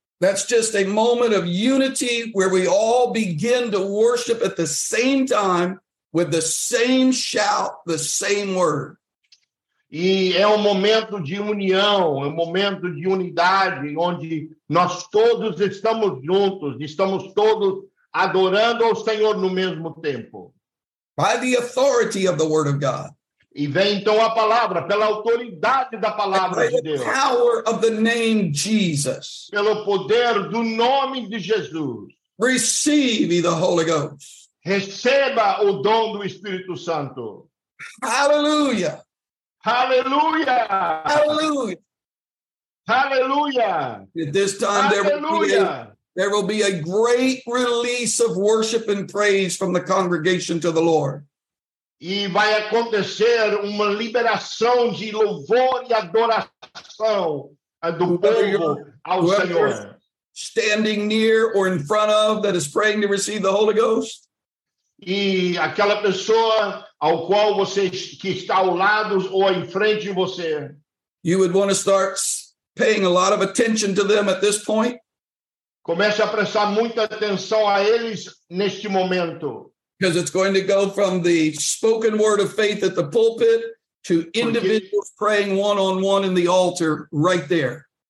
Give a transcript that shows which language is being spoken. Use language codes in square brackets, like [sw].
[en] That's just a moment of unity where we all begin to worship at the same time with the same shout, the same word. [pt] E é momento de união, momento de unidade, onde nós todos estamos juntos, estamos todos adorando ao Senhor no mesmo tempo. [en] By the authority of the word of God. [pt] E vem então a palavra, pela autoridade da palavra de Deus. [en] The power of the name Jesus. [pt] Pelo poder do nome de Jesus. [en] Receive the Holy Ghost. [pt] Receba o dom do Espírito Santo. Hallelujah. Hallelujah. Hallelujah. Hallelujah. [en] At this time, there will be a great release of worship and praise from the congregation to the Lord. [pt] E vai acontecer uma liberação de louvor e adoração do povo ao Senhor. [en] Standing near or in front of that is praying to receive the Holy Ghost. [pt] E aquela pessoa ao qual você que está ao lado ou em frente de você. [en] You would want to start paying a lot of attention to them at this point. [pt] Comece a prestar muita atenção a eles neste momento. [en] Because it's going to go from the spoken word of faith at the pulpit to individuals praying one-on-one in the altar right there.